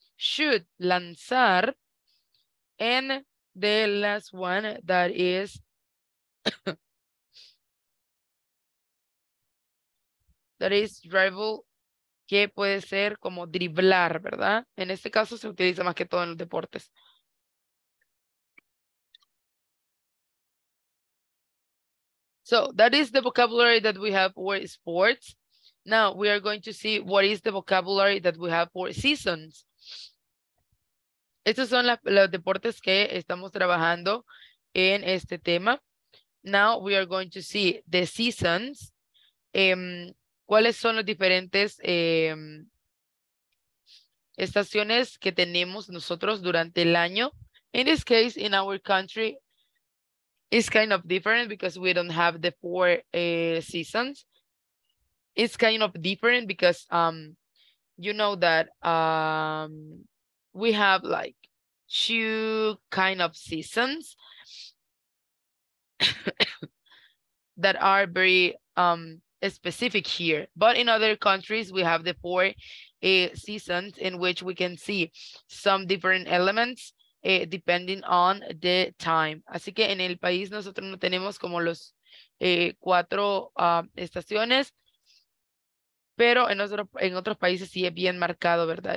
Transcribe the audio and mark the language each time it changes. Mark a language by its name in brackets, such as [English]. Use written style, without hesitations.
[English] Shoot, lanzar. And the last one that is that is dribble, [Spanish] que puede ser como driblar, ¿verdad? En este caso se utiliza más que todo en los deportes. [English] So that is the vocabulary that we have for sports. Now we are going to see what is the vocabulary that we have for seasons. [Spanish] Estos son los deportes que estamos trabajando en este tema. [English] Now we are going to see the seasons. [Spanish] ¿Cuáles son las diferentes estaciones que tenemos nosotros durante el año? [English] In this case, in our country, it's kind of different because we don't have the four seasons. It's kind of different because you know that we have like two kind of seasons that are very specific here. But in other countries, we have the four seasons in which we can see some different elements depending on the time. [Spanish] Así que en el país nosotros no tenemos como los cuatro estaciones, pero en otros países sí es bien marcado, ¿verdad?